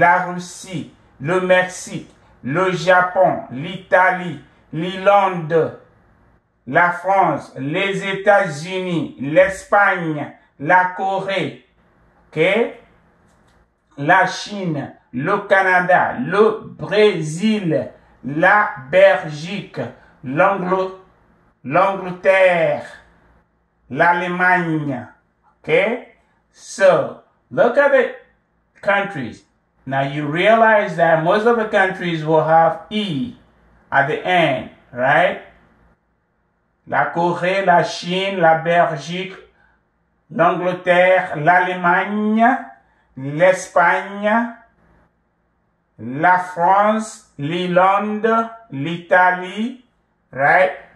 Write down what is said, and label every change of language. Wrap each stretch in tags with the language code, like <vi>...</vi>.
<fr>Russie, le Mexique, le Japon, l'Italie, l'Irlande, la France, les États-Unis, l'Espagne, la Corée, okay? La Chine, le Canada, le Brésil, la Belgique, l'Angleterre, l'Allemagne, okay?</fr> <en>So, look at the countries. Now you realize that most of the countries will have E at the end, right?</en> <fr>La Corée, la Chine, la Belgique, l'Angleterre, l'Allemagne, l'Espagne, la France, l'Irlande, l'Italie, right?</fr>